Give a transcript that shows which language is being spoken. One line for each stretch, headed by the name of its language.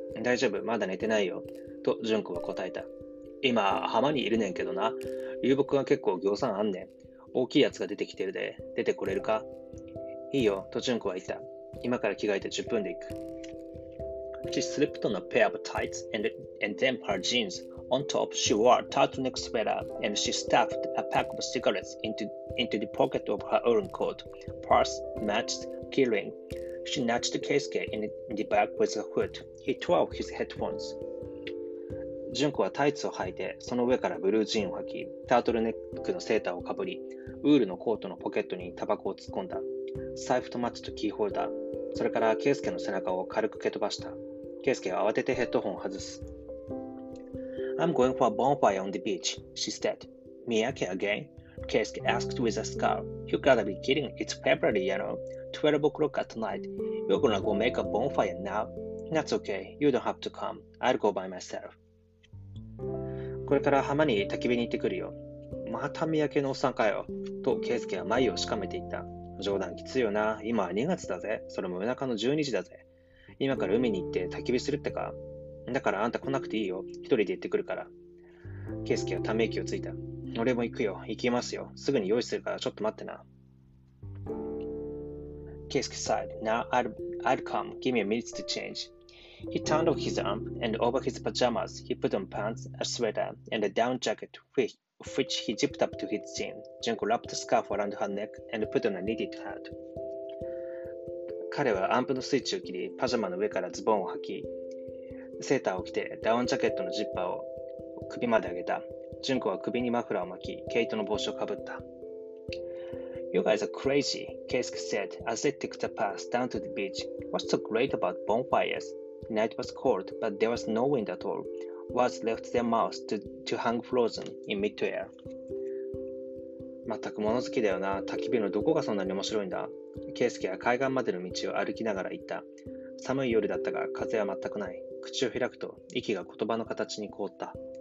Japanese: 大丈夫、まだ寝てないよ。と Junko は答えた。今、浜にいるねんけどな。流木が結構ぎょうさんあんねん。大きいやつが出てきてるで、出てこれるか?いいよ、とジュンコは言った。今から着替えて10分で行く。
English: She slipped on a pair of tights and then her jeans. On top, she wore a turtleneck sweater and she stuffed a pack of cigarettes into the pocket of her own coat. Purse, matches, key ring. She nudged Keisuke in the back with her foot. He tore off his headphones.
Japanese: ジュンコはタイツを履いて、その上からブルージーンを履き、タートルネックのセーターをかぶり、ウールのコートのポケットにタバコを突っ込んだ。財布とマッチとキーホルダー、それからケイスケの背中を軽く蹴飛ばした。ケイスケは慌ててヘッドホンを外す。
English: I'm going for a bonfire on the beach, she said. Miyake again? Keisuke asked with a scowl. You gotta be kidding, it's February, you know. 12 o'clock at night. You're gonna go make a bonfire now? That's okay, you don't have to come. I'll go by myself.
Japanese: これから浜に焚き火に行ってくるよ。また三宅のおっさんかよ。とケイスケは眉をしかめていった。冗談きついよな。今は2月だぜ。それも夜中の12時だぜ。今から海に行って焚き火するってか。だからあんた来なくていいよ。一人で行ってくるから。ケイスケはため息をついた。俺も行くよ。行きますよ。すぐに用意するからちょっと待ってな。
English: ケイスケ said, Now I'll come. Give me a minute to change. He turned off his arm, and over his pajamas, he put on pants, a sweater, and a down jacket, which he zipped up to his chin. Junko wrapped the scarf around her neck and put on a knitted hat.
Japanese: 彼はアンプのスイッチを切り、パジャマの上からズボンを履き、セーターを着て、ダウンジャケットのジッパーを首まで上げた。 Junkoは首にマフラーを巻き、毛糸の帽子をかぶった。
English: You guys are crazy, Keisuke said, as they took the path down to the beach. What's so great about bonfires? Night was cold, but there was no wind at all. Words left their mouths to hang frozen in mid-air.
Japanese: 全く物好きだよな。焚き火のどこがそんなに面白いんだ。ケイスケは海岸までの道を歩きながら言った。寒い夜だったが、風は全くない。口を開くと、息が言葉の形に凍った。